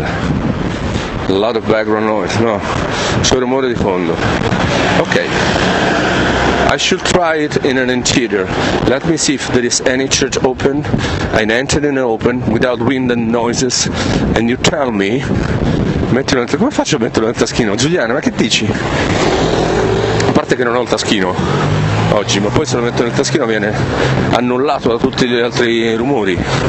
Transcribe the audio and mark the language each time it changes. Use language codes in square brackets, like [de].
[en] A lot of background noise, no. [it] C'è rumore di fondo. [en] Okay. I should try it in an interior. Let me see if there is any church open. I entered in an open without wind and noises. And you tell me. [it] Metti un'altra. Come faccio a metterlo nel taschino? Giuliano, ma che dici? A parte che non ho il taschino oggi, ma poi se lo metto nel taschino viene annullato da tutti gli altri rumori.